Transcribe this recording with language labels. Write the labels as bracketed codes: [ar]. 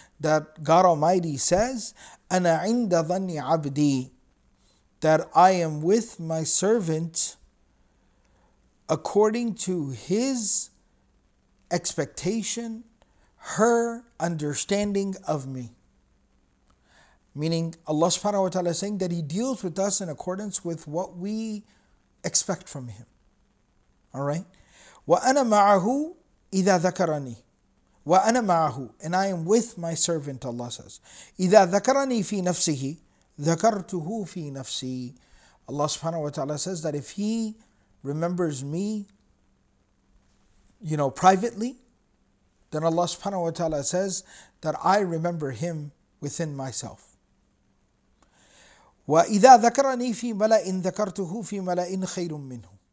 [en] that God Almighty says, [ar] أَنَا عِنْدَ ظَنِّ عَبْدِي, [en] that I am with my servant according to his expectation, her understanding of me. Meaning Allah subhanahu wa ta'ala is saying that he deals with us in accordance with what we expect from him. Alright? [ar] وَأَنَا مَعَهُ إِذَا ذَكَرَنِي, وَأَنَا مَعَهُ, [en] and I am with my servant, Allah says. [ar] إِذَا ذَكَرَنِي فِي نَفْسِهِ ذَكَرْتُهُ فِي نَفْسِي, [en] Allah subhanahu wa ta'ala says that if he remembers me, you know, privately, then Allah subhanahu wa ta'ala says that I remember him within myself. [ar] وَإِذَا ذَكَرَنِي فِي مَلَئٍ ذَكَرْتُهُ فِي مَلَئٍ خَيْرٌ مِّنْهُ.